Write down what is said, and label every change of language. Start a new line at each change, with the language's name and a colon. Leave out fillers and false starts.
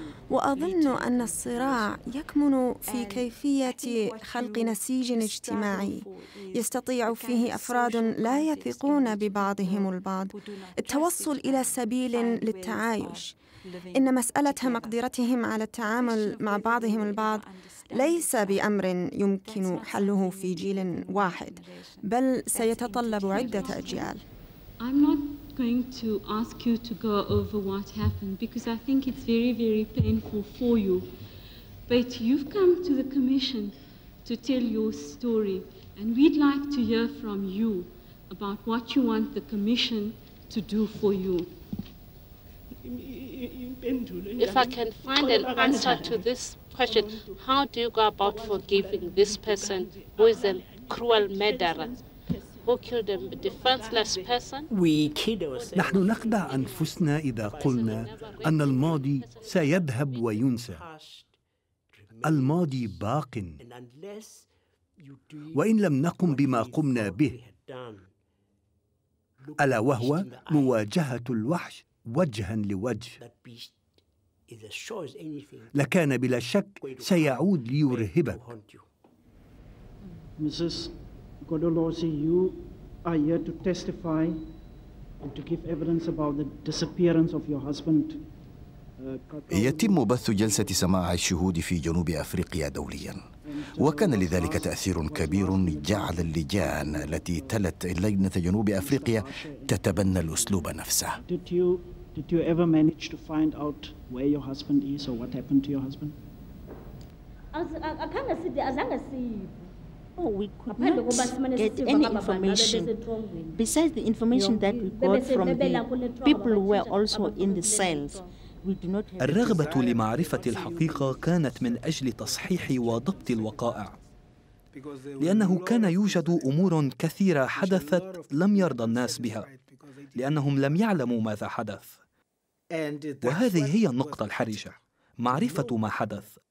Arabic: وأظن أن الصراع يكمن في كيفية خلق نسيج اجتماعي يستطيع فيه أفراد لا يثقون ببعضهم البعض التوصل إلى سبيل للتعايش. إن مسألة مقدرتهم على التعامل مع بعضهم البعض ليس بأمر يمكن حله في جيل واحد، بل سيتطلب عدة أجيال.
English: Going to ask you to go over what happened because I think it's very, very painful for you. But you've come to the commission to tell your story, and we'd like to hear from you about what you want the commission to do for you. If I can find an answer to this question, how do you go about forgiving this person who is a cruel murderer?
Arabic: نحن نخدع أنفسنا إذا قلنا أن الماضي سيذهب وينسى. الماضي باق، وإن لم نقم بما قمنا به ألا وهو مواجهة الوحش وجها لوجه، لكان بلا شك سيعود ليرهبك.
English: Godolosi, you are here to testify and to give evidence about the disappearance of your husband.
Arabic: يتم بث جلسة سماع الشهود في جنوب أفريقيا دولياً، وكان لذلك تأثير كبير جعل اللجان التي تلت لجنة جنوب أفريقيا تتبنى الأسلوب نفسه.
English: Did you ever manage to find out where your husband is or what happened to your husband? No, we could not get any information besides the information that we got from the people who were also in the cells.
Arabic: الرغبة لمعرفة الحقيقة كانت من أجل تصحيح وضبط الوقائع، لأنه كان يوجد أمور كثيرة حدثت لم يرضى الناس بها لأنهم لم يعلموا ماذا حدث. وهذه هي النقطة الحرجة، معرفة ما حدث.